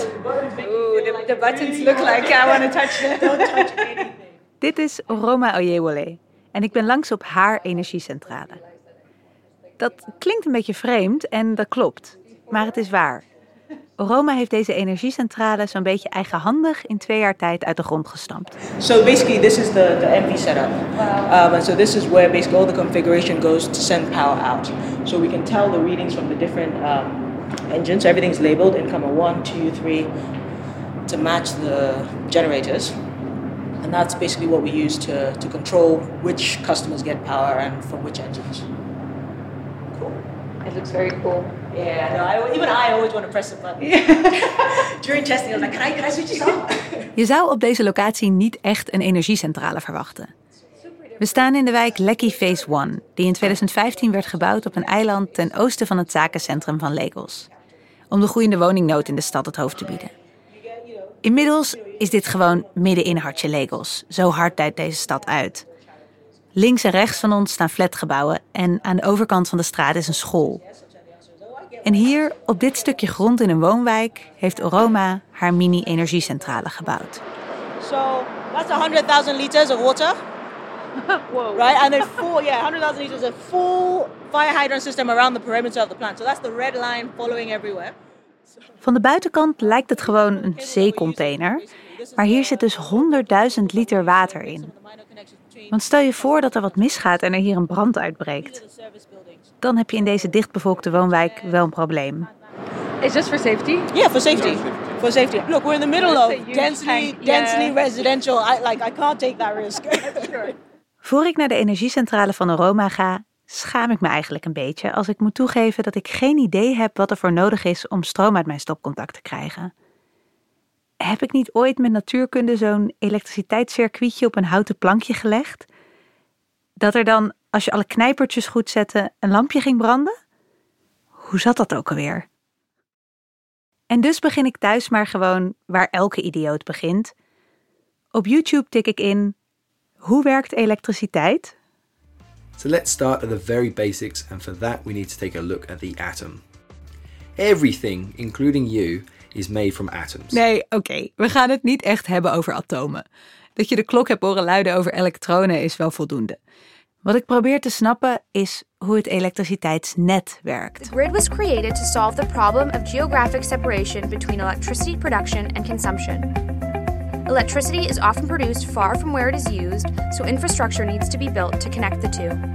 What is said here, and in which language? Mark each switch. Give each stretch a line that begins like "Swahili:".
English: Ooh, the buttons look like I want to touch them. Don't touch anything.
Dutch: Dit is Roma Oyewole en ik ben langs op haar energiecentrale. Dat klinkt een beetje vreemd en dat klopt, maar het is waar. Roma heeft deze energiecentrale zo'n beetje eigenhandig in 2 jaar tijd uit de grond gestampt.
English: So basically this is the MV setup. And so this is where basically all the configuration goes to send power out. So we can tell the readings from the different engines. Everything's labeled incoming 1, 2, 3 to match the generators. And that's basically what we use to control which customers get power and from which engines. It looks very cool. Yeah, no, even I always want to press the button. During testing, I was like, can I switch this off?
Dutch: Je zou op deze locatie niet echt een energiecentrale verwachten. We staan in de wijk Lekki Phase 1, die in 2015 werd gebouwd op een eiland ten oosten van het zakencentrum van Lagos. Om de groeiende woningnood in de stad het hoofd te bieden. Inmiddels is dit gewoon midden in hartje Lagos. Zo hard duidt deze stad uit. Links en rechts van ons staan flatgebouwen en aan de overkant van de straat is een school. En hier, op dit stukje grond in een woonwijk, heeft Oroma haar mini-energiecentrale gebouwd.
English: So, that's 100.000 liters of water. Whoa. Right, and a full, 100,000 liters, a full fire hydrant system around the perimeter of the plant. So that's the red line following everywhere.
Dutch: Van de buitenkant lijkt het gewoon een zeecontainer, maar hier zit dus 100.000 liter water in. Want stel je voor dat er wat misgaat en er hier een brand uitbreekt, dan heb je in deze dichtbevolkte woonwijk wel een probleem.
English: Is this for safety? Yeah, for safety. For safety. Look, we're in the middle of densely residential. I can't take that risk.
Dutch: Voor ik naar de energiecentrale van Oroma ga, schaam ik me eigenlijk een beetje als ik moet toegeven dat ik geen idee heb wat er voor nodig is om stroom uit mijn stopcontact te krijgen. Heb ik niet ooit met natuurkunde zo'n elektriciteitscircuitje op een houten plankje gelegd? Dat er dan, als je alle knijpertjes goed zette, een lampje ging branden? Hoe zat dat ook alweer? En dus begin ik thuis maar gewoon waar elke idioot begint. Op YouTube tik ik in: hoe werkt elektriciteit?
English: So let's start at the very basics, and for that we need to take a look at the atom. Everything, including you, is made from atoms.
Dutch: Nee, okay. We gaan het niet echt hebben over atomen. Dat je de klok hebt horen luiden over elektronen is wel voldoende. Wat ik probeer te snappen is hoe het elektriciteitsnet werkt.
English: The grid was created to solve the problem of geographic separation between electricity production and consumption. Electricity is often produced far from where it is used, so infrastructure needs to be built to connect the two.